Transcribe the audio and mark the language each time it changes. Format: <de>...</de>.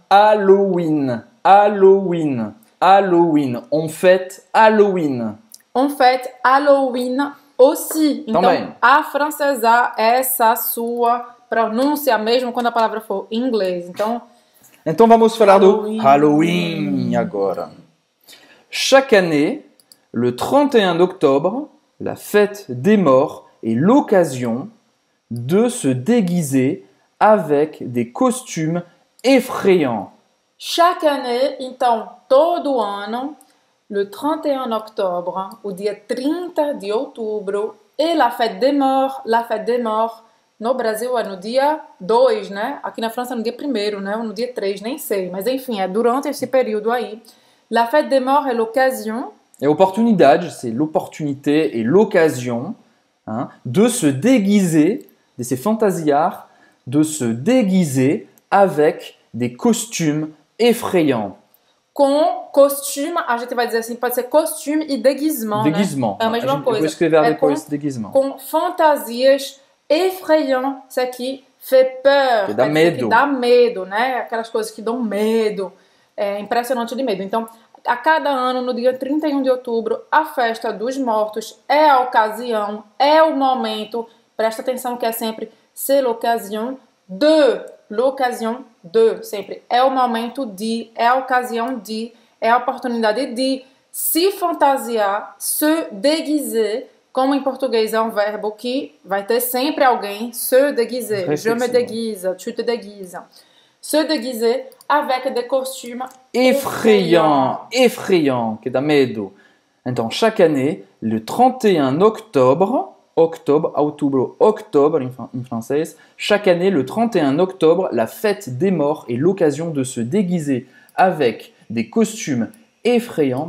<fr>Halloween, Halloween, Halloween. On fête Halloween. On fête Halloween aussi.</fr> <pt>Então, também. A francesa, essa sua pronúncia mesmo quando a palavra for em inglês. Então, vamos falar Halloween. Do Halloween agora.</pt> <fr>Chaque année, le 31 octobre, la fête des morts est l'occasion de se déguiser avec des costumes effrayants. Chaque année,</fr> <pt>então, todo ano...</pt> <fr>Le 31 octobre,</fr> <pt>o dia 30 de outubro,</pt> <fr>e la fête des morts,</fr> <pt>no Brasil é no dia 2, né? Aqui na França é no dia 1º, né? Ou no dia 3, nem sei. Mas enfim, é durante esse período aí.</pt> <fr>La fête des morts est l'occasion.</fr> <pt>É oportunidade,</pt> <fr>c'est l'opportunité et l'occasion, hein, de se déguiser,</fr> <pt>de se fantasiar,</pt> <fr>de se déguiser avec des costumes effrayants.</fr> <pt>Com costume, a gente vai dizer assim, pode ser costume e déguisement.</pt> <fr>Déguisement.</fr> <pt>Né? É a mesma coisa. Eu vou escrever depois déguisement. Com fantasias effrayantes, isso aqui</pt> <fr>fait peur.</fr> <pt>Que dá medo. Que dá medo, né? Aquelas coisas que dão medo. É impressionante de medo. Então, a cada ano, no dia 31 de outubro, a festa dos mortos é a ocasião, é o momento. Presta atenção que é sempre</pt> <fr>c'est l'occasion de.</fr> <pt>L'occasion de, sempre, é o momento de, é a ocasião de, é a oportunidade de se fantasiar, se déguiser, como em português é um verbo que vai ter sempre alguém, se déguiser,</pt> <fr>je me déguise, tu te déguises,</fr> <pt>se déguiser avec des costumes</pt> <fr>effrayants, effrayants,</fr> <pt>que dá medo. Então,</pt> <fr>chaque année, le 31 octobre,</fr> <pt>octobre, outubro, octobre em francês.</pt> <fr>Chaque année, le 31 octobre, la fête des morts est l'occasion de se déguiser avec des costumes effrayants.</fr>